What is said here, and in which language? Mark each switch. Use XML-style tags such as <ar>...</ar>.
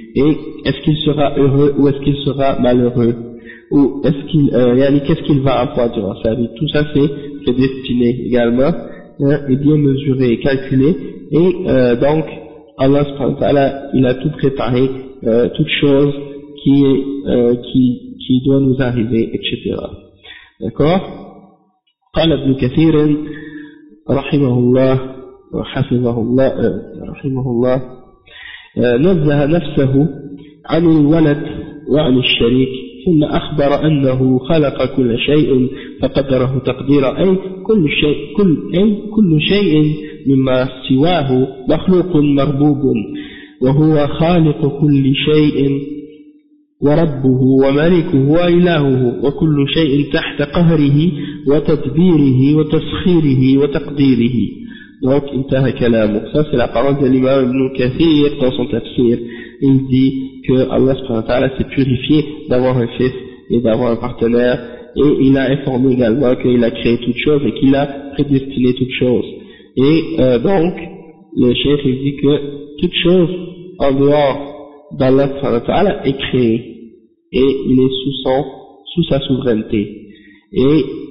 <fr>Et est-ce qu'il sera heureux ou est-ce qu'il sera malheureux? Ou est-ce qu'il, qu'est-ce qu'il va avoir durant sa vie? Tout ça c'est prédestiné également, et bien mesuré et calculé. Et donc, Allah, il a tout préparé, toute chose qui doit nous arriver, etc. D'accord ?</fr> <ar>قال ابن كثير رحمه الله وحفظه الله رحمه الله نزه نفسه عن الولد وعن الشريك ثم أخبر أنه خلق كل شيء فقدره تقدير أي كل شيء مما سواه مخلوق مربوب وهو خالق كل شيء وربه وملكه وإلهه وكل شيء تحت قهره وتدبيره وتسخيره وتقديره.</ar> <fr>Donc</fr> <ar>انتهى كلامه.</ar> <fr>Ça c'est la parole de l'imam Ibn Kathir dans son tafsir. Il dit que Allah subhanahu wa ta'ala s'est purifié d'avoir un fils et d'avoir un partenaire, et il a informé également qu'il a créé toute chose et qu'il a prédestiné toute chose. Et donc le cheikh il dit que toute chose en dehors d'Allah subhanahu wa ta'ala est créé, et il est sous sa souveraineté, et</fr>